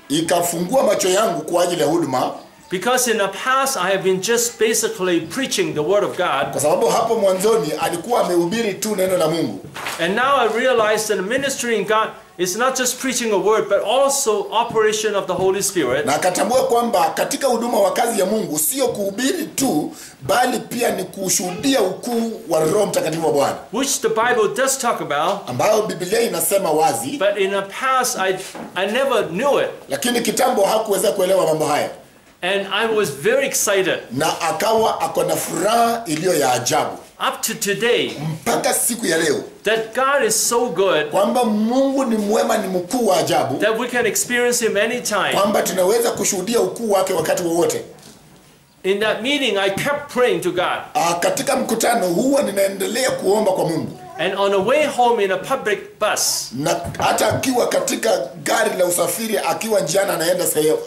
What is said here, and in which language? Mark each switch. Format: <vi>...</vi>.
<sw>Ikafungua macho yangu kwa ajili ya huduma.</sw> <en>Because in the past I have been just basically preaching the word of God.</en> <sw>Kwa sababu hapo mwanzoni alikuwa amehubiri tu neno la Mungu.</sw> <en>And now I realize that ministry in God is not just preaching a word but also operation of the Holy Spirit.</en> <sw>Na katambua kwamba katika huduma wa kazi ya Mungu sio kuhubiri tu bali pia ni kushuhudia ukuu wa Roho Mtakatifu wa Bwana.</sw> <en>Which the Bible does talk about.</en> <sw>Ambayo Biblia inasema wazi.</sw> <en>But in the past I never knew it.</en> <sw>Lakini kitambo hakuweza kuelewa mambo haya.</sw> <en>And I was very excited.</en> <sw>Na akawa akona furaha iliyo ya ajabu.</sw> <en>Up to today.</en> <sw>Mpaka siku ya leo.</sw> <en>That God is so good.</en> <sw>Kwamba Mungu ni mwema ni mkuu wa ajabu.</sw> <en>That we can experience him anytime.</en> <sw>Kwamba tunaweza kushuhudia ukuu wake wakati wowote.</sw> <en>In that meeting I kept praying to God.</en> <sw>Katika mkutano huo ninaendelea kuomba kwa Mungu.</sw> <en>And on the way home in a public bus.</en> <sw>Na hata akiwa katika gari la usafiri akiwa njiani anaenda sehemu.</sw>